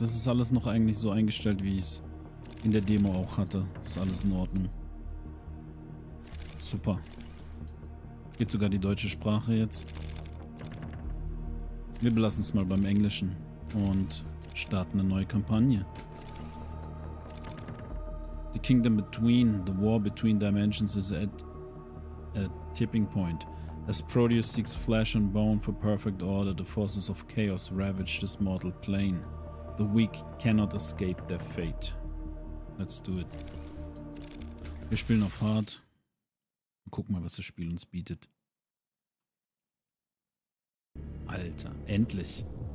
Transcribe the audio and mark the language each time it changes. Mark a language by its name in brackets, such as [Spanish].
[German] Das ist alles noch eigentlich so eingestellt, wie ich es in der Demo auch hatte. Ist alles in Ordnung. Super. Gibt sogar die deutsche Sprache jetzt. Wir belassen es mal beim Englischen und starten eine neue Kampagne. [English] The Kingdom Between, the War Between Dimensions is at a tipping point. As Proteus seeks flesh and bone for perfect order, the forces of chaos ravage this mortal plane. The weak cannot escape their fate. Let's do it. [German] Wir spielen auf hart. Guck mal, was das Spiel uns bietet. Alter, endlich.